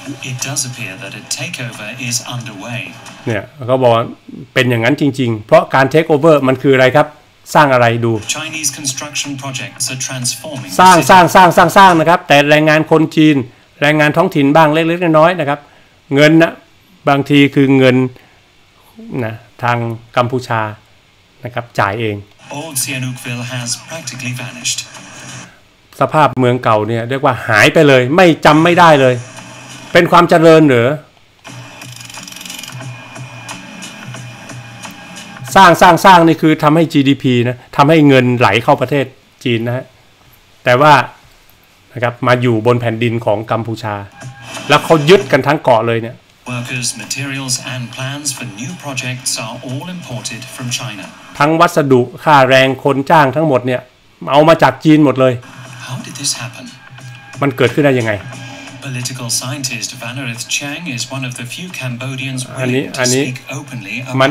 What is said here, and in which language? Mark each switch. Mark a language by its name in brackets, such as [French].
[English] It does appear that a takeover is underway. [Thai] เนี่ยเขาบอกเป็นอย่างนั้นจริงๆเพราะการ take over มันคืออะไรครับสร้างอะไรดู [English] Chinese construction projects are transforming. [Thai] สร้างนะครับแต่แรงงานคนจีนแรงงานท้องถิ่นบ้างเล็กๆน้อยๆนะครับเงินนะบางทีคือเงินนะทางกัมพูชานะครับจ่ายเอง [English] Old Sihanoukville has practically vanished. [Thai] สภาพเมืองเก่าเนี่ยเรียกว่าหายไปเลยไม่จำไม่ได้เลยเป็นความเจริญหรือสร้างนี่คือทำให้ GDP นะทำให้เงินไหลเข้าประเทศจีนนะฮะแต่ว่านะครับมาอยู่บนแผ่นดินของกัมพูชาแล้วเขายึดกันทั้งเกาะเลยเนี่ย [English] Workers, materials and plans for new projects are all imported from China. [Thai] ทั้งวัสดุค่าแรงคนจ้างทั้งหมดเนี่ยเอามาจากจีนหมดเลย [English] How did this happen? [Thai] มันเกิดขึ้นได้ยังไง [English] Political scientist Vanarith Chang is one of the few Cambodians willing to speak openly about